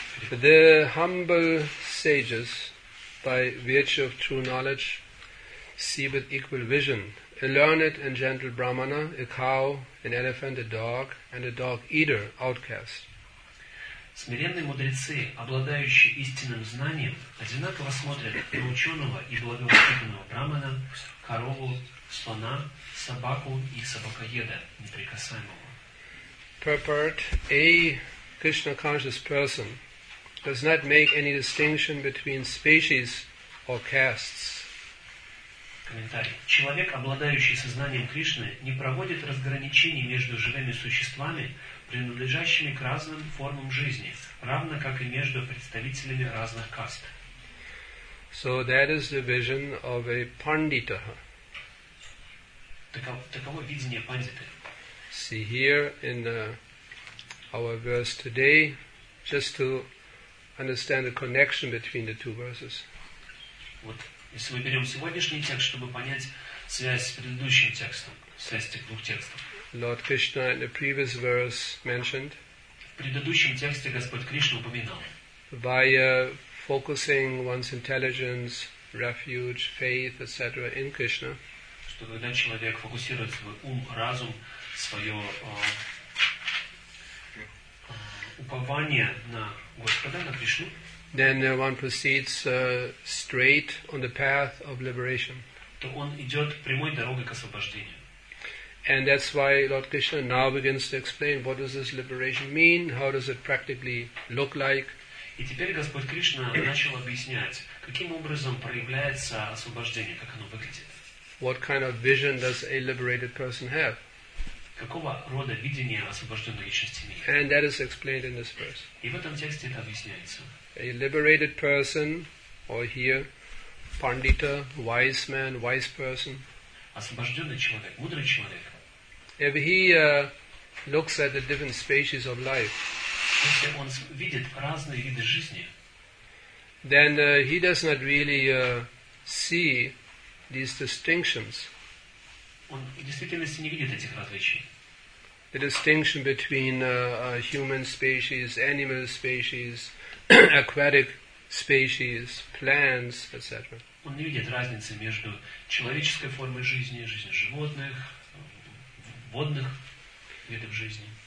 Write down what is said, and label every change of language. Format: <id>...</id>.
<en>The humble sages, by virtue of true knowledge, see with equal vision. A learned and gentle brahmana, a cow, an elephant, a dog, and a dog-eater, outcast.</en> <ru>Смиренные мудрецы, обладающие истинным знанием, одинаково смотрят на ученого и благовоспитанного брамана, корову, слона, собаку и собакоеда, неприкасаемого.</ru> <en>Purport: A Krishna conscious person does not make any distinction between species or castes.</en> <ru>Комментарий: Человек, обладающий сознанием Кришны, не проводит разграничений между живыми существами, принадлежащими к разным формам жизни, равно как и между представителями разных каст.</ru> <en>So that is the vision of a pandita.</en> <ru>Таково видение пандиты.</ru> <en>See here in our verse today, just to understand the connection between the two verses.</en> <ru>Вот, если мы берем сегодняшний текст, чтобы понять связь с предыдущим текстом, связь этих двух текстов.</ru> <en>Lord Krishna in the previous verse mentioned.</en> <ru>В предыдущем тексте Господь Кришна упоминал.</ru> <en>By focusing one's intelligence, refuge, faith, etc. in Krishna.</en> <ru>Что когда человек фокусирует свой ум, разум, свое упование на Господа, на Кришну.</ru> <en>Then one proceeds straight on the path of liberation.</en> <ru>То он идет прямой дорогой к освобождению.</ru> <en>And that's why Lord Krishna now begins to explain what does this liberation mean, how does it practically look like.</en> <ru>И теперь Господь Кришна начал объяснять, каким образом проявляется освобождение, как оно выглядит.</ru> <en>What kind of vision does a liberated person have?</en> <ru>Какого рода видение освобожденной личности имеет?</ru> <en>And that is explained in this verse.</en> <ru>И в этом тексте это объясняется.</ru> <en>A liberated person, or here, pandita, wise man, wise person,</en> <ru>освобожденный человек, мудрый человек.</ru> <en>If he looks at the different species of life,</en> <ru>если он видит разные виды жизни,</ru> <en>then he does not really see these distinctions.</en> <ru>Он в действительности не видит этих различий.</ru> <en>The distinction between human species, animal species, aquatic species, plants, etc.</en> <ru>Он не видит разницы между человеческой формой жизни, жизнью животных, водных видов жизни.</ru>